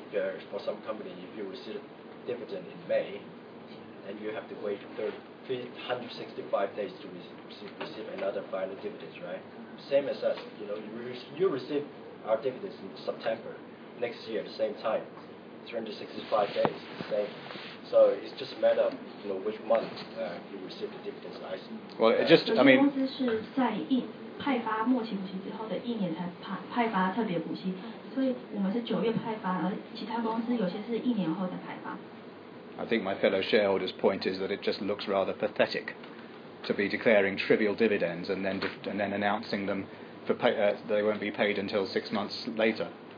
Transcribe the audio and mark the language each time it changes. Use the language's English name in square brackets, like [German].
[English] For some company, if you receive a dividend in May, then you have to wait 365 days to receive another final dividend, right? Same as us. You know, you receive our dividends in September next year, the same time, 365 days, the same. So it's just a matter of, you know, which month you receive the dividends. Well, it just, I mean... [Chinese] 派发特别补息，所以我们是九月派发，而其他公司有些是一年后的派发。 [English] I think my fellow shareholders' point is that it just looks rather pathetic to be declaring trivial dividends and then then announcing them for pay, they won't be paid until 6 months later.